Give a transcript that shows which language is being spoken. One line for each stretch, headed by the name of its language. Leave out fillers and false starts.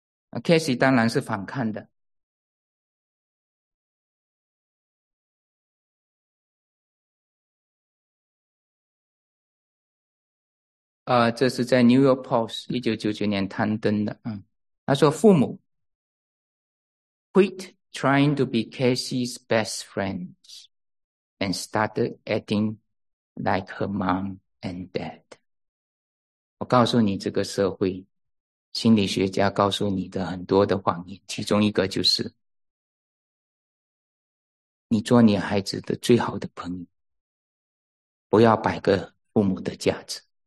Chinese: 啊，Casey 当然是反抗的。这是在《New York Post》1999年刊登的。他说父母
English: quit trying to be Cassie's best friends and started acting like her mom and dad。
Chinese: 我告诉你，这个社会心理学家告诉你的很多的谎言，其中一个就是你做你孩子的最好的朋友，不要摆个父母的架子。